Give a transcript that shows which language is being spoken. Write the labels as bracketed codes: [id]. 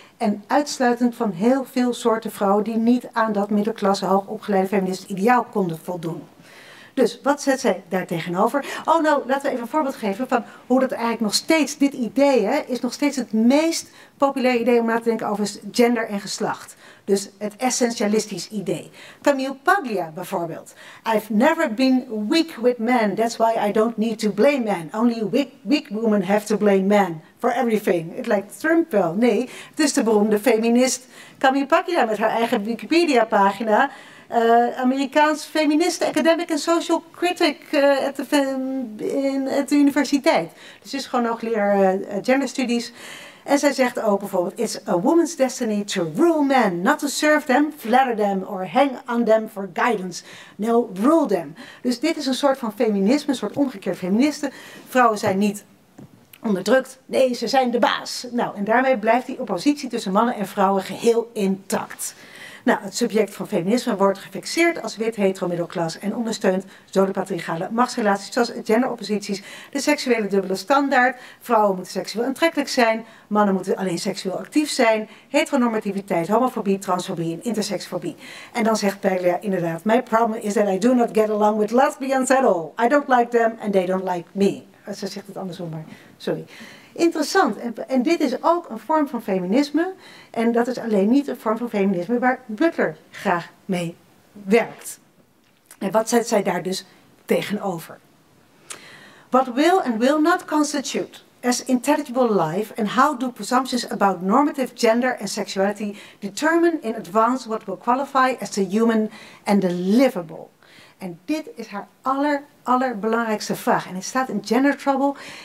[nl] En uitsluitend van heel veel soorten vrouwen die niet aan dat middenklasse hoogopgeleide feminist ideaal konden voldoen. Dus wat zet zij daar tegenover? Oh nou, laten we even een voorbeeld geven van hoe dat eigenlijk nog steeds, dit idee hè, is nog steeds het meest populaire idee om na te denken over gender en geslacht. Dus het essentialistisch idee. Camille Paglia bijvoorbeeld. [en] I've never been weak with men, that's why I don't need to blame men. Only weak women have to blame men. For everything. [nl] It lijkt Trump wel. Nee, het is de beroemde feminist Camille Paglia met haar eigen Wikipedia-pagina. [en] Amerikaans feminist, academic en social critic at the universiteit. [nl] Dus is gewoon hoogleraar gender studies. En zij zegt ook bijvoorbeeld, [en] it's a woman's destiny to rule men. Not to serve them, flatter them or hang on them for guidance. No, rule them. [nl] Dus dit is een soort van feminisme, een soort omgekeerd feministe. Vrouwen zijn niet... onderdrukt. Nee, ze zijn de baas. Nou, en daarmee blijft die oppositie tussen mannen en vrouwen geheel intact. Nou, het subject van feminisme wordt gefixeerd als wit, hetero, middelklas en ondersteunt zo de patriarchale machtsrelaties zoals genderopposities, de seksuele dubbele standaard, vrouwen moeten seksueel aantrekkelijk zijn, mannen moeten alleen seksueel actief zijn, heteronormativiteit, homofobie, transfobie en intersexfobie. En dan zegt Paglia inderdaad, [en] my problem is that I do not get along with lesbians at all. I don't like them and they don't like me. [nl] Ze zegt het andersom, maar sorry. Interessant. En dit is ook een vorm van feminisme. En dat is alleen niet een vorm van feminisme waar Butler graag mee werkt. En wat zet zij daar dus tegenover? [en] What will and will not constitute as intelligible life and how do presumptions about normative gender and sexuality determine in advance what will qualify as the human and the livable? [nl] En dit is haar allerbelangrijkste vraag. En het staat in Gender Trouble.